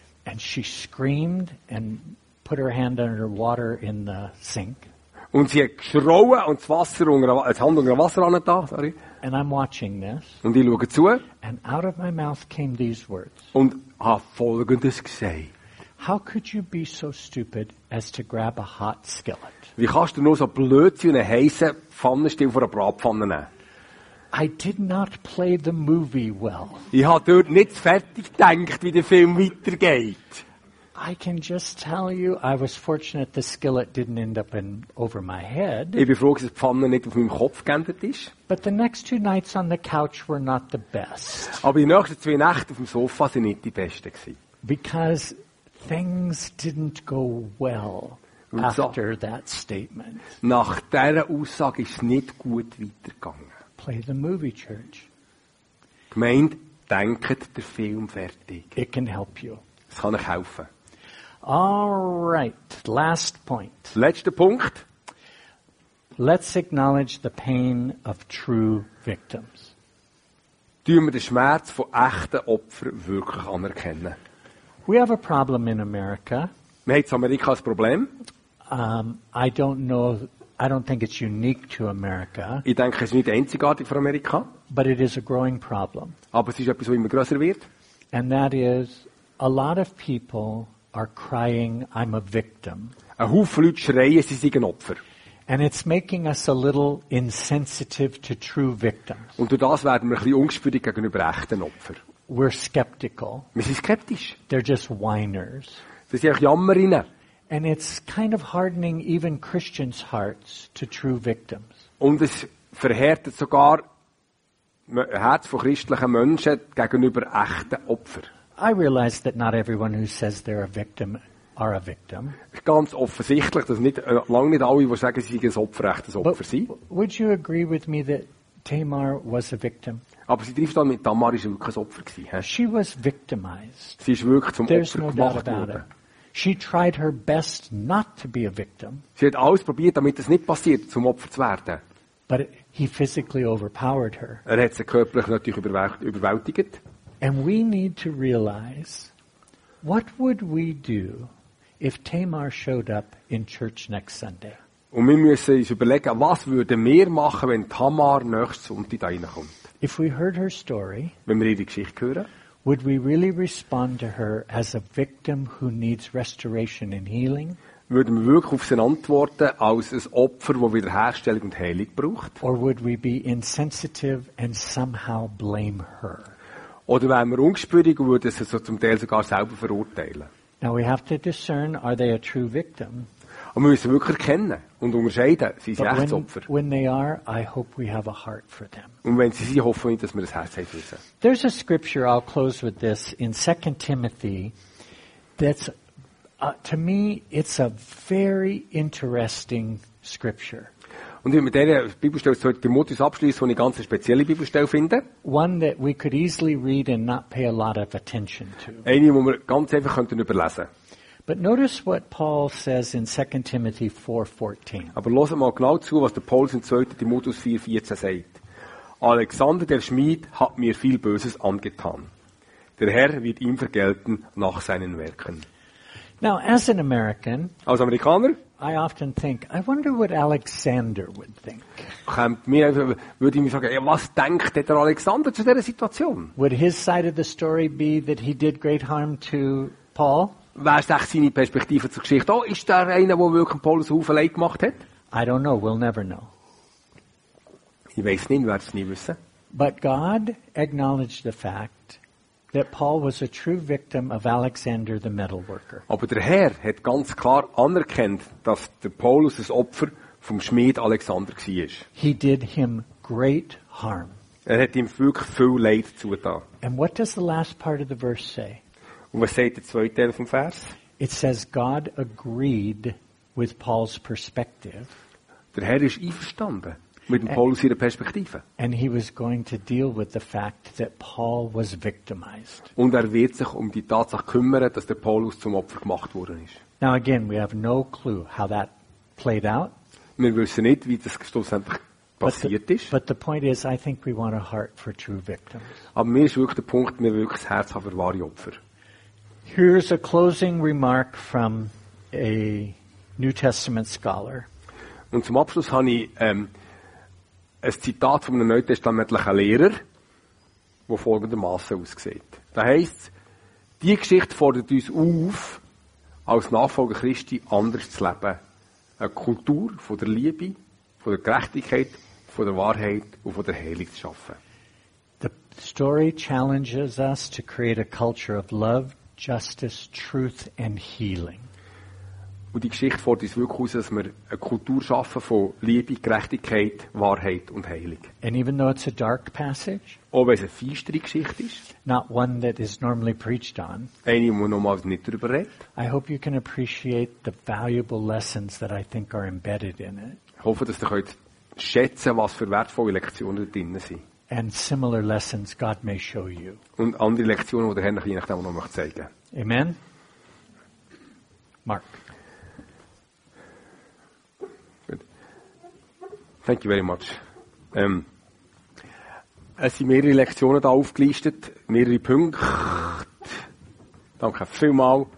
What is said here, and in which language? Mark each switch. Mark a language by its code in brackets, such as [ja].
[en] And she screamed and put her hand under water in the sink. [de] Und sie hat geschrien und das Hand unter Wasser ran da. [en] Sorry. And I'm watching this. [de] Und ich schaue zu. [en] And out of my mouth came these words. [de] Und habe Folgendes gesagt. [en] How could you be so stupid as to grab a hot skillet? [de] Wie kannst du nur so blöd sein, eine heiße Pfanne still vor einer Bratpfanne nehmen? [en] I did not play the movie well. [de] Ich habe dort nicht fertig gedacht, wie der Film weitergeht. [en] I can just tell you, I was fortunate the skillet didn't end up in over my head. [de] Ich bin froh, dass die Pfanne nicht auf meinem Kopf geendet ist. [en] But the next two nights on the couch were not the best. [de] Aber die nächsten zwei Nächte auf dem Sofa sind nicht die besten gewesen. [en] Because things didn't go well after that statement. [de] Nach dieser Aussage ist nicht gut weitergegangen. [en] Play the movie, church. [de] Gemeint, denkt der Film fertig. [en] It can help you. [de] Es kann euch helfen. [en] All right, last point. [de] Letzter Punkt. [en] Let's acknowledge the pain of true victims. [de] Tun wir den Schmerz von echten Opfern wirklich anerkennen. [en] We have a problem in America. [de] Wir haben in Amerika ein Problem. [en] I don't think it's unique to America. [de] Ich denke, es ist nicht einzigartig für Amerika. [en] But it is a growing problem. [de] Aber es ist etwas, was immer grösser wird. [en] And that is, a lot of people are crying, I'm a victim. [de] Ein Haufen Leute schreien, sie sind ein Opfer. [en] And it's making us a little insensitive to true victims. [de] Und durch das werden wir ein bisschen ungespürig gegenüber echten Opfern. [en] We're skeptical. [de] Wir sind skeptisch. [en] They're just whiners. [de] Sie sind einfach Jammerinnen. [en] And it's kind of hardening even Christians' hearts to true victims. [de] Und es verhärtet sogar Herz von christlichen Menschen gegenüber echten Opfern. [en] I realize that not everyone who says they're a victim are a victim. [de] Ganz offensichtlich, dass lange nicht alle, die sagen, sie sind ein Opfer, echt ein Opfer sind. [en] Would you agree with me that Tamar was a victim? [de] Aber sie trifft damit, Tamar ist wirklich ein Opfer gewesen. [en] She was victimized. [de] Sie ist wirklich zum [en] There's [de] Opfer [en] no [de] gemacht worden. [en] It. She tried her best not to be a victim. [de] Sie hat alles probiert, damit es nicht passiert, zum Opfer zu werden. [en] But he physically overpowered her. [de] Er hat sie körperlich natürlich überwältigt. [en] And we need to realize, what would we do if Tamar showed up in church next Sunday? [de] Und wir müssen uns überlegen, was würden wir machen, wenn Tamar nächstes Sonntag da reinkommt? [en] If we heard her story, [de] wenn wir ihre Geschichte hören, [en] would we really respond to her as a victim who needs restoration and healing? [de] Würden wir wirklich auf sie antworten als ein Opfer, das Wiederherstellung und Heilung braucht? [en] Or would we be insensitive and somehow blame her? [de] Oder wären wir ungespürig und würden sie so zum Teil sogar selber verurteilen? [en] Now we have to discern, are they a true victim? [de] Und wir müssen wirklich erkennen und unterscheiden, sie sind echtes Opfer. [en] When they are, I hope we have a heart for them. [de] Und wenn sie sind, hoffe ich, dass wir das Herz haben für sie. [en] There's a scripture, I'll close with this, in 2 Timothy, that's, to me, it's a very interesting scripture. [de] Und mit der Bibelstelle sollte Timotheus abschließen, wo ich eine ganz spezielle Bibelstelle finde. [en] One that we could easily read and not pay a lot of attention to. [de] Eine, die wir ganz einfach könnten überlesen. [en] But notice what Paul says in 2 Timothy 4:14. [de] Aber lass mal genau zu, was der Paulus in 2. Timotheus 4:14 sagt. Alexander der Schmied hat mir viel Böses angetan. Der Herr wird ihm vergelten nach seinen Werken. [en] Now, as an American, [de] als Amerikaner, [en] I often think, I wonder what Alexander would think. [de] Würde ich mich fragen, was denkt der Alexander zu dieser Situation? [en] Would his side of the story be that he did great harm to Paul? [de] Wer ist echt seine Perspektive zur Geschichte? Oh, ist der einer, der wirklich Paulus Haufen Leid gemacht hat? [en] I don't know, we'll never know. [de] Ich weiß nicht, wir werden es nie wissen. [en] But God acknowledged the fact that Paul was a true victim of Alexander the metalworker. [de] Aber der Herr hat ganz klar anerkannt, dass der Paulus ein Opfer vom Schmied Alexander war. [en] He did him great harm. [de] Er hat ihm wirklich viel Leid zugetan. [en] And what does the last part of the verse say? [de] Und was sagt der zweite Teil vom Vers? [en] It says God agreed with Paul's perspective. [de] Der Herr ist einverstanden mit dem Paulus ihrer Perspektive. [en] And he was going to deal with the fact that Paul was victimized. [de] Und er wird sich um die Tatsache kümmern, dass der Paulus zum Opfer gemacht worden ist. [en] Now again, we have no clue how that played out. [de] Wir wissen nicht, wie das schlussendlich passiert ist. [en] But the point is, I think we want a heart for true victims. [de] Aber mir ist wirklich der Punkt, wir wollen wirklich das Herz für wahre Opfer. [en] Here's a closing remark from a New Testament scholar. [de] Und zum Abschluss habe ich ein Zitat von einem neutestamentlichen Lehrer, wo folgendermaßen aussieht. Da heißt: Die Geschichte fordert uns auf, als Nachfolger Christi anders zu leben, eine Kultur von der Liebe, von der Gerechtigkeit, von der Wahrheit und von der Heiligung zu schaffen. [en] The story challenges us to create a culture of love, justice, truth and healing. [de] Und die Geschichte fordert uns wirklich aus, dass wir eine Kultur schaffen von Liebe, Gerechtigkeit, Wahrheit und Heilung. [en] And even though it's a dark passage, [de] auch wenn es eine finstere Geschichte ist, [en] not one that is normally preached on, [de] eine, wo normalerweise nicht darüber redet, [en] I hope you can appreciate the valuable lessons that I think are embedded in it. [de] Ich hoffe, dass ihr könnt schätzen, was für wertvolle Lektionen drin sind. [en] And similar lessons God may show you. [de] Und andere Lektionen, die der Herr nach je nachdem noch möchte zeigen. [en] Amen. Mark. Good. Thank you very much. [de] Es sind mehrere Lektionen da aufgelistet, mehrere Punkte. Danke vielmals.